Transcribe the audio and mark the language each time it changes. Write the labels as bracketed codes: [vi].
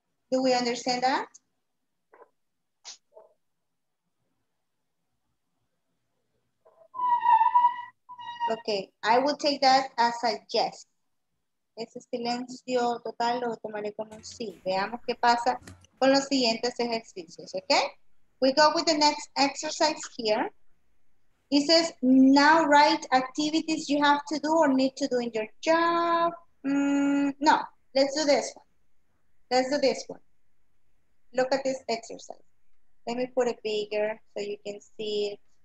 [en] Do we understand that? Okay, I will take that as a yes. [es] Ese silencio total lo tomaré como un sí. Veamos qué pasa con los siguientes ejercicios, okay? [en] We go with the next exercise here. It says, now write activities you have to do or need to do in your job. No, let's do this one. Look at this exercise. Let me put it bigger so you can see it.